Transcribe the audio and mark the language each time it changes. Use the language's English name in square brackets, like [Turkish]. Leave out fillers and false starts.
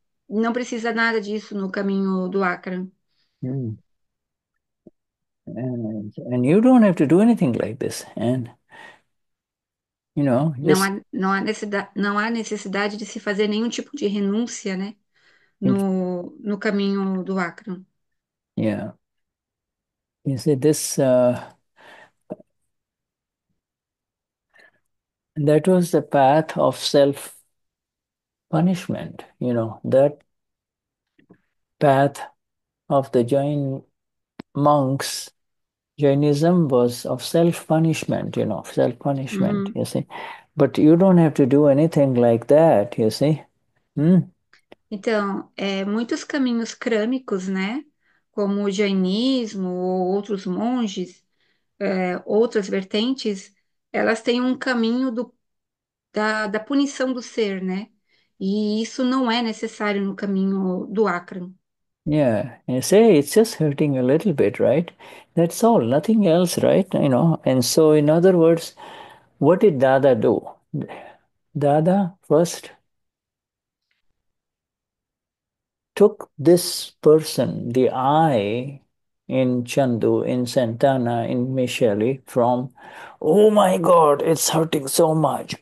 [Portuguese] Não precisa nada disso no caminho do Akram. [English] And you don't have to do anything like this. And you know, [Portuguese] Não há necessidade de se fazer nenhum tipo de renúncia, né, no caminho do Akram. [English] you see this. That was the path of self-punishment. You know, that path of the Jain monks, Jainism was of self-punishment, you know, self-punishment, you see. But you don't have to do anything like that, you see. [Portuguese] Então, muitos caminhos crâmicos, né? Como o jainismo ou outros monges, outras vertentes, elas têm um caminho da punição do ser, né? E isso não é necessário no caminho do Akram. [English] You say it's just hurting a little bit, right? That's all, nothing else, right? You know, and so in other words, what did Dada do? Dada first took this person, the I in Chandu, in Santana, in Michelle, from, oh my God, it's hurting so much.